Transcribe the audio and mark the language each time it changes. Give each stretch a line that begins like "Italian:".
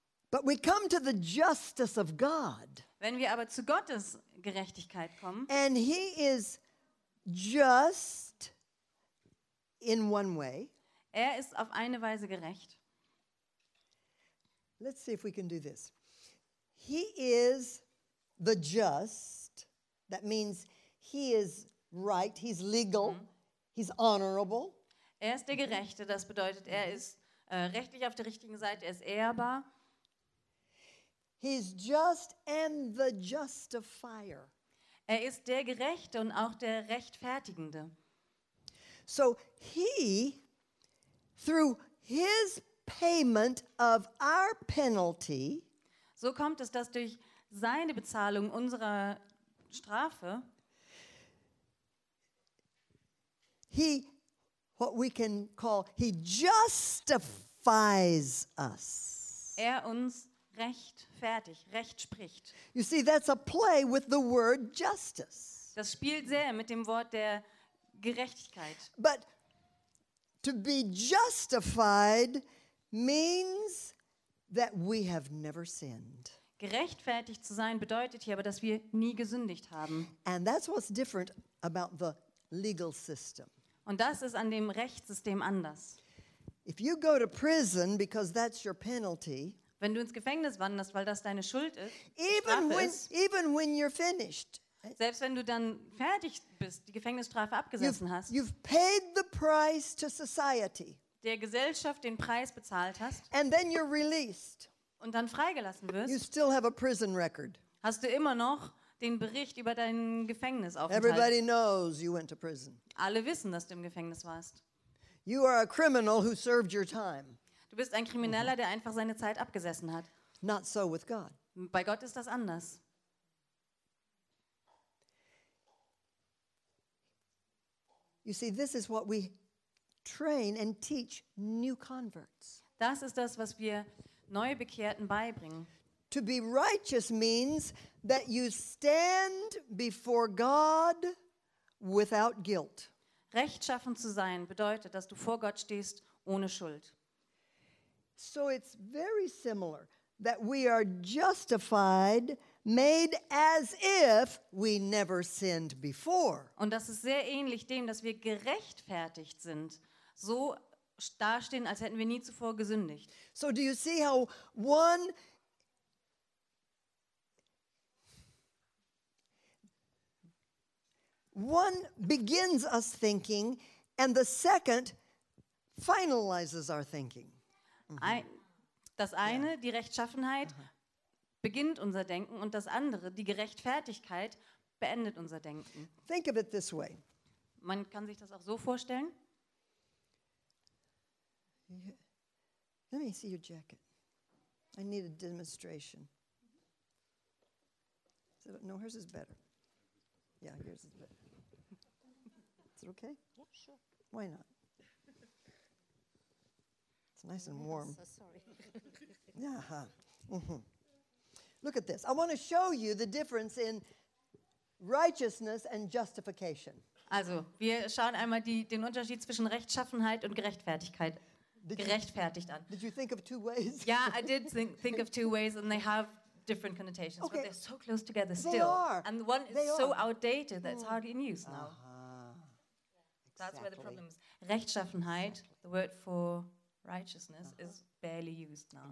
English: But we come to the justice of God.
German: Wenn wir aber zu Gottes Gerechtigkeit kommen,
English: and he is just in one way.
German: Er ist auf eine Weise gerecht.
English: Let's see if we can do this. He is the just. That means he is right, he's legal, he's honorable.
German: Er ist der Gerechte, das bedeutet, er ist rechtlich auf der richtigen Seite, er ist ehrbar.
English: He's just and the justifier.
German: Er ist der Gerechte und auch der Rechtfertigende.
English: So he, through his payment of our penalty,
German: so kommt es, dass durch seine Bezahlung unserer Strafe,
English: he, what we can call, he justifies us.
German: Er uns rechtfertigt, recht spricht.
English: You see, that's a play with the word justice.
German: Das spielt sehr mit dem Wort der Gerechtigkeit.
English: But to be justified means that we have never sinned.
German: Gerechtfertigt zu sein bedeutet hier aber, dass wir nie gesündigt haben.
English: And that's what's different about the legal system.
German: Und das ist an dem Rechtssystem anders.
English: If you go to prison because that's your penalty,
German: wenn du ins Gefängnis wanderst, weil das deine Schuld ist,
English: even when you're finished,
German: selbst wenn du dann fertig bist, die Gefängnisstrafe abgesessen hast,
English: you've paid the price to society,
German: der Gesellschaft den Preis bezahlt hast,
English: and then you're released,
German: und dann freigelassen wirst,
English: you still have a prison record.
German: Hast du immer noch den Bericht über deinen Gefängnisaufenthalt.
English: Everybody knows you went to prison.
German: Alle wissen, dass du im Gefängnis warst.
English: You are a criminal who served your time.
German: Du bist ein Krimineller, der einfach seine Zeit abgesessen hat.
English: Not so with God.
German: Bei Gott ist das anders.
English: You see, this is what we train and teach new converts.
German: Das ist das, was wir Neubekehrten beibringen.
English: To be righteous means that you stand before God without guilt.
German: Rechtschaffen zu sein bedeutet, dass du vor Gott stehst ohne Schuld.
English: So it's very similar that we are justified, made as if we never sinned before.
German: Und das ist sehr ähnlich dem, dass wir gerechtfertigt sind, so dastehen, als hätten wir nie zuvor gesündigt.
English: So do you see how one begins us thinking and the second finalizes our thinking?
German: Das eine, die Rechtschaffenheit, beginnt unser Denken, und das andere, die Gerechtfertigkeit, beendet unser Denken.
English: Think of it this way.
German: Man kann sich das auch so vorstellen.
English: Let me see your jacket. I need a demonstration. No, hers is better. Yeah, yours is better. Is it okay? Yeah, sure. Why not? Nice and warm. Yes, so sorry. Yeah. Look at this. I want to show you the difference in righteousness and justification.
German: Also, wir schauen einmal den Unterschied zwischen Rechtschaffenheit und Gerechtigkeit. Gerechtfertigt an.
English: Did you think of two ways? Yeah, I did think of two ways, and they have different connotations, okay. But they're so close together still. They are. And one is they so are. Outdated that it's hardly in use now. Exactly. That's where the problem is. Rechtschaffenheit, exactly. The word for righteousness is barely used now.